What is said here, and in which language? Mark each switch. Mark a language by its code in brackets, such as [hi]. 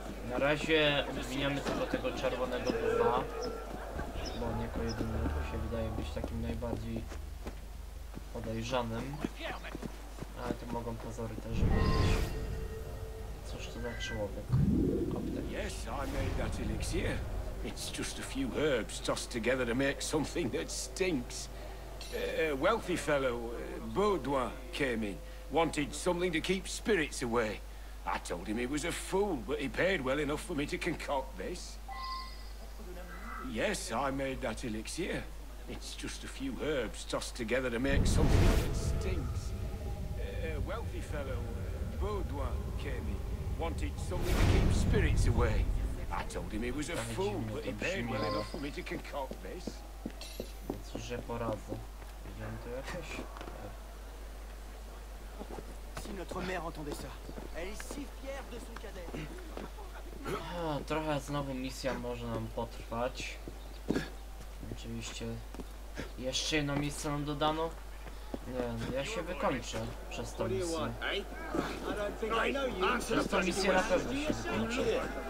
[pl] Na razie obwiniamy tylko tego czerwonego dwa. Bo on jako jedyny się wydaje być takim najbardziej podejrzanym. Ale tu mogą pozory też być. Cóż to za człowiek? [en] Yes, I made that elixir. It's just a few herbs tossed together to make something that stinks. A wealthy fellow, Baudouin, came in. Wanted something to keep spirits away. I told him he was a fool, but he paid well enough for me to concoct this. Yes, I made that elixir. It's just a few herbs tossed together to make something that stinks. A wealthy fellow, Baudouin, came in. Wanted something to keep spirits away. I told him he was a fool, but he paid well enough for me to concoct this. [pl] Cóż, że poradzę. Wiem to jakoś. [fr] Si notre mère entendait ça, elle est si fière de son cadet. [pl] Trochę znowu misja może nam potrwać. Oczywiście jeszcze jedno miejsce nam dodano. Nie, ja się wykończę przez tą misję. Przez tą misję na pewno się wykończę.